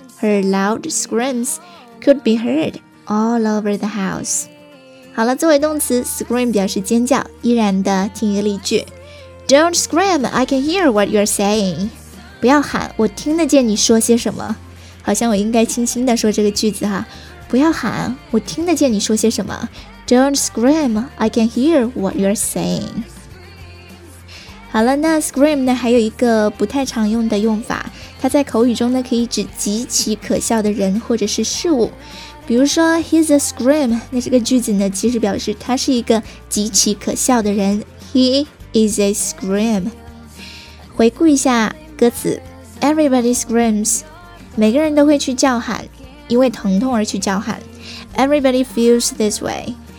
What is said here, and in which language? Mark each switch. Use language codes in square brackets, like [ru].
[en] Her loud screams could be heard all over the house。 [zh] 好了，作为动词 scream 表示尖叫，依然的听一个例句。 [en] Don't scream, I can hear what you're saying. [zh] 不要喊，我听得见你说些什么。好像我应该轻轻地说这个句子哈。不要喊，我听得见你说些什么。 [en] Don't scream, I can hear what you're saying. [zh] 好了，那 scream 呢，还有一个不太常用的用法，它在口语中呢，可以指极其可笑的人或者是事物。比如说 he's a scream，那这个句子呢，其实表示他是一个极其可笑的人。 He is a scream。回顾一下歌词， Everybody screams，每个人都会去叫喊，因为疼痛而去叫喊。 Everybody feels this way，